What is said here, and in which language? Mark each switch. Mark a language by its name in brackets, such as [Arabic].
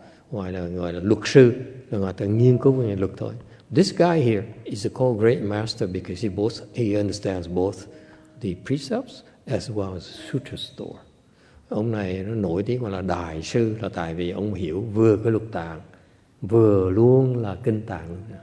[Vietnamese] Gọi là luật sư, gọi là nghiên cứu về luật thôi. [English] This guy here is called great master because he understands both the precepts as well as sutra store. [Vietnamese] Ông này nó nổi tiếng gọi là đại sư là tại vì ông hiểu vừa cái luật tạng, vừa luôn là kinh tạng.